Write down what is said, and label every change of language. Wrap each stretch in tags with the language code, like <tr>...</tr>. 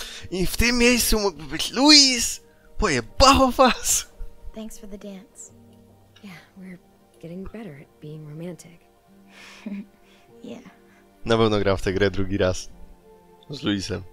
<pl>I w tym miejscu mógłby być Luis. Pojebało was.</pl> <en>Thanks for the dance. Yeah, we're getting better at being romantic. Yeah.</en> <pl>Na pewno gra w tę grę drugi raz z Luisem.</pl>